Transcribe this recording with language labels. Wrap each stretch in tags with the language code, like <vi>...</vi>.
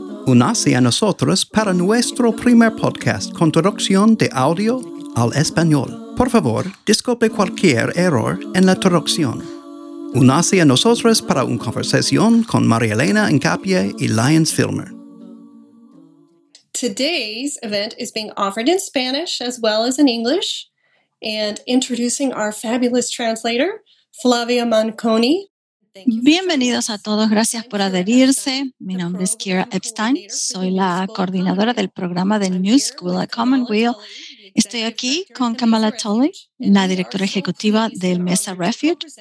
<es>Únase a nosotros para nuestro primer podcast con traducción de audio al español. Por favor, disculpe cualquier error en la traducción. Únase a nosotros para una conversación con María Elena Encapié y Lyons Filmer.</es> <en>Today's event is being offered in Spanish as well as in English, and introducing our fabulous translator, Flavia Manconi.</en> <es>Bienvenidos a todos, gracias por adherirse. Mi nombre es Kira Epstein, soy la coordinadora del programa de New School at Commonweal. Estoy aquí con Kamala Tolley, la directora ejecutiva del Mesa Refuge.</es>